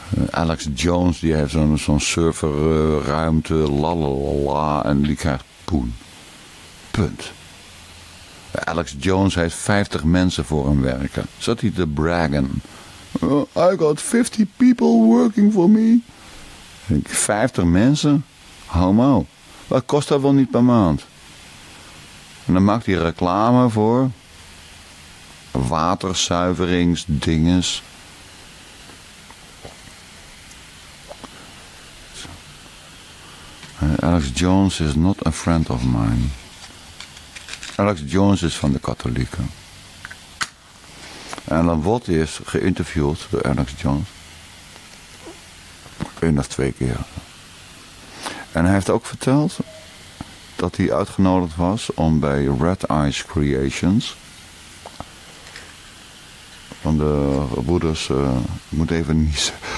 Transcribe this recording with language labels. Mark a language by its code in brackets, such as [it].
[nl] Alex Jones, die heeft zo'n serverruimte, lalala, en die krijgt poen. Punt. Alex Jones heeft 50 mensen voor hem werken. Zat hij te braggen? [en] I got 50 people working for me. [nl] 50 mensen? Homo. Wat kost dat wel niet per maand? En dan maakt hij reclame voor waterzuiveringsdinges. [en] Alex Jones is not a friend of mine. [nl] Alex Jones is van de katholieken. En Ellen Watt is geïnterviewd door Alex Jones. 1 of 2 keer. En hij heeft ook verteld dat hij uitgenodigd was om bij Red Eyes Creations van de broeders, ik moet even niezen.